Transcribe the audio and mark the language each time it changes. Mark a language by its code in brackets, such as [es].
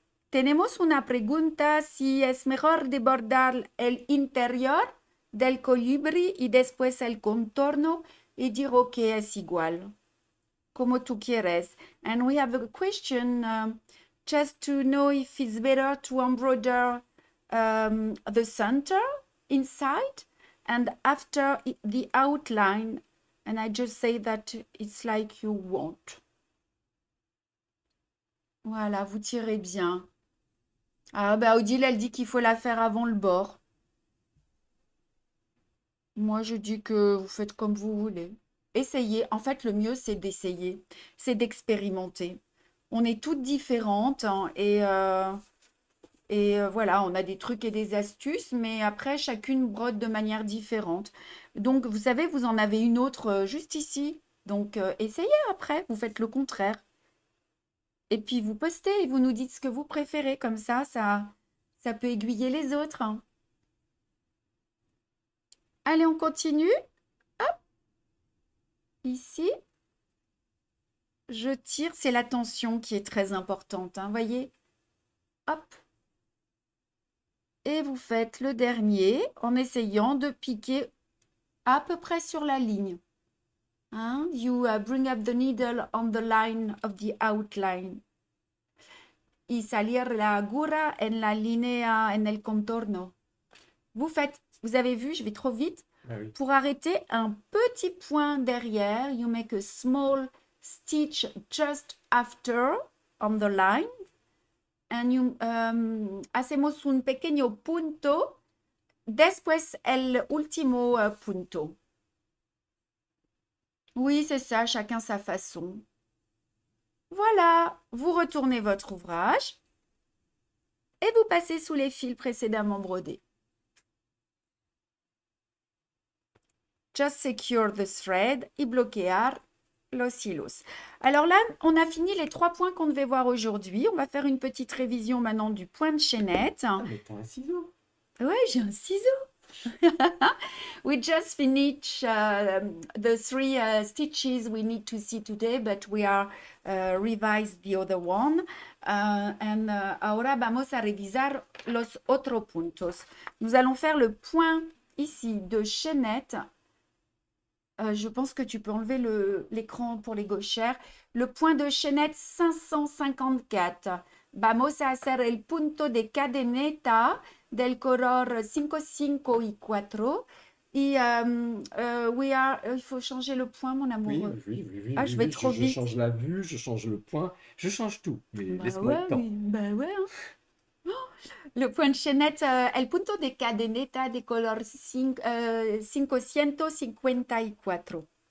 [es] Tenemos una pregunta si es mejor de bordar el interior del colibri y después el contorno y dire ok, es igual. Como tú quieres. [en] And we have a question just to know if it's better to embroider the center inside and after the outline. And I just say that it's like you want. [fr] Voilà, vous tirez bien. Ah ben bah, Odile, elle dit qu'il faut la faire avant le bord. Moi, je dis que vous faites comme vous voulez. Essayez. En fait, le mieux, c'est d'essayer. C'est d'expérimenter. On est toutes différentes. Hein, voilà, on a des trucs et des astuces. Mais après, chacune brode de manière différente. Donc, vous savez, vous en avez une autre juste ici. Donc, essayez après. Vous faites le contraire. Et puis, vous postez et vous nous dites ce que vous préférez. Comme ça, ça peut aiguiller les autres. Hein. Allez, on continue. Ici, je tire, c'est la tension qui est très importante, hein, voyez? Hop! Et vous faites le dernier en essayant de piquer à peu près sur la ligne. Hein? [en] You bring up the needle on the line of the outline. [es] Y salir la agura en la linea en el contorno. [fr] Vous faites, vous avez vu, je vais trop vite. Ah oui. Pour arrêter un petit point derrière, [en] you make a small stitch just after on the line. And you [es] hacemos un pequeño punto después el último punto. [fr] Oui, c'est ça, chacun sa façon. Voilà, vous retournez votre ouvrage et vous passez sous les fils précédemment brodés. [en] Just secure the thread [es] y bloquear los hilos. [fr] Alors là, on a fini les trois points qu'on devait voir aujourd'hui. On va faire une petite révision maintenant du point de chaînette. Ah, mais t'as un ciseau. Ouais, j'ai un ciseau. [en] We just finished the three stitches we need to see today, but we are revised the other one. [es] And ahora vamos a revisar los otros puntos. [fr] Nous allons faire le point ici de chaînette. Je pense que tu peux enlever l'écran pour les gauchères. Le point de chaînette 554. [es] Vamos a hacer el punto de cadeneta del color 5, 5 y 4. [fr] Et il faut changer le point, mon amoureux. Oui. Ah, je vais trop vite. Je change la vue, je change le point, je change tout. Mais bah laisse-moi ouais, le temps. Bah ouais. Hein. Le point de chaînette, [es] el punto de cadeneta de color 554.